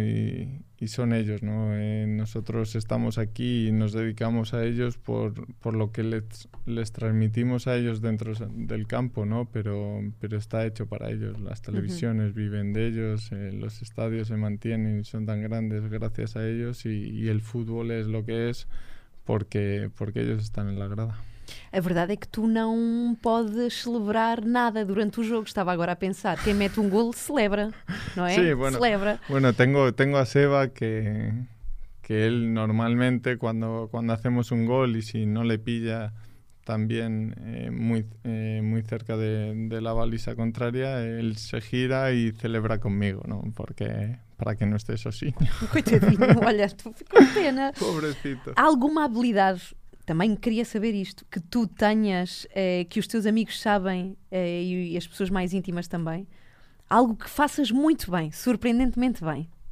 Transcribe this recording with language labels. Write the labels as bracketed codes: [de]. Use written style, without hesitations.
[es] Y son ellos, ¿no? Nosotros estamos aquí y nos dedicamos a ellos por lo que les transmitimos a ellos dentro del campo, ¿no? Pero está hecho para ellos. Las televisiones uh-huh. viven de ellos, los estadios se mantienen y son tan grandes gracias a ellos y el fútbol es lo que es. Porque ellos están en la grada. [pt] A verdade é que tu não podes celebrar nada durante o jogo. Estava agora a pensar. Quem mete um golo, celebra, não é? [es] Sí, bueno, celebra. Bueno, tengo a Seba que él normalmente cuando hacemos un gol y si no le pilla también muy cerca de la baliza contraria, él se gira y celebra conmigo, ¿no? Porque... [pt] Para que não esteja assim. Coitadinho, olha, tu ficou com pena. [es] Pobrecito. [pt] Há alguma habilidade, também queria saber isto, que tu tenhas, que os teus amigos sabem e as pessoas mais íntimas também, algo que faças muito bem, surpreendentemente bem?